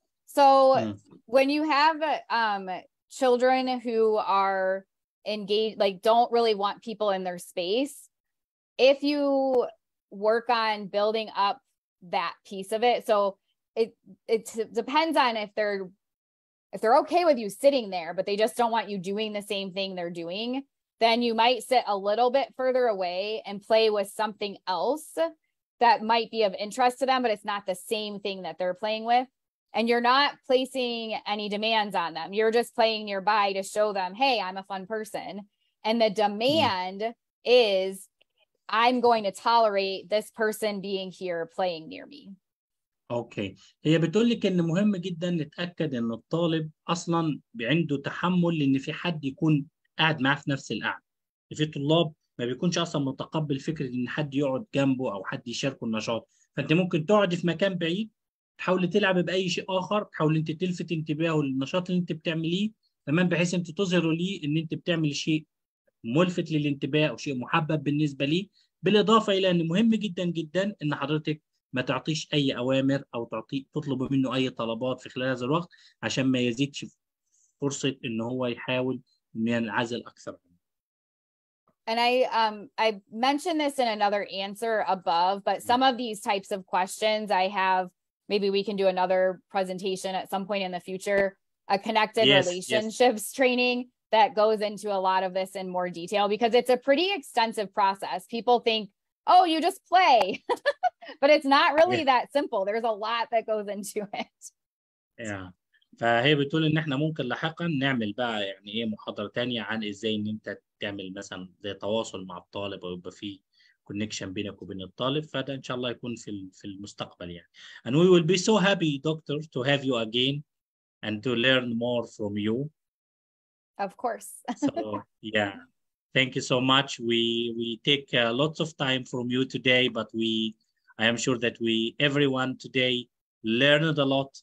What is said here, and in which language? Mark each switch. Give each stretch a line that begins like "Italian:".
English: So when you have children who are engaged, like don't really want people in their space, if you work on building up that piece of it. So it depends on if they're okay with you sitting there, but they just don't want you doing the same thing they're doing, then you might sit a little bit further away and play with something else that might be of interest to them, but it's not the same thing that they're playing with. And you're not placing any demands on them. You're just playing nearby to show them, hey, I'm a fun person. And the demand is, I'm going to tolerate this person being here playing near me. Okay.
Arabic: هي بتقول لك ان مهم جدا نتاكد ان الطالب اصلا عنده تحمل ان في حد يكون قاعد معاه في نفس القعده. في طلاب ما بيكونش اصلا متقبل فكره ان حد يقعد جنبه او حد يشاركه النشاط، فانت ممكن تقعد في مكان بعيد، تحاول تلعب باي شيء اخر، تحاول انت تلفت انتباهه للنشاط اللي انت بتعمليه، تمام، بحيث انت تظهر لي ان انت بتعمل شيء ملفت للانتباه او شيء محبب بالنسبه لي، بالاضافه الى ان مهم جدا جدا ان حضرتك ما تعطيش اي اوامر او تطلب منه اي طلبات في خلال هذا الوقت، عشان ما يزيدش فرصه ان هو يحاول انه ينعزل اكثر.
English: And I mentioned this in another answer above, but some of these types of questions I have, maybe we can do another presentation at some point in the future, a connected relationships training that goes into a lot of this in more detail, because it's a pretty extensive process. People think, oh, you just play, but it's not really that simple. There's a lot that goes into it. Yeah.
Arabic: فهي بتقول ان احنا ممكن لاحقا نعمل بقى يعني ايه محاضرة تانية عن ازاي ان انت تعمل مثلا زي تواصل مع الطالب، او يبقى في كونكشن بينك وبين الطالب، فده ان شاء الله يكون في المستقبل يعني.
English: And we will be so happy, doctor, to have you again and to learn more from you. Of course. So, yeah. Thank you so much. We take lots of time from you today, but I am sure that everyone today learned a lot.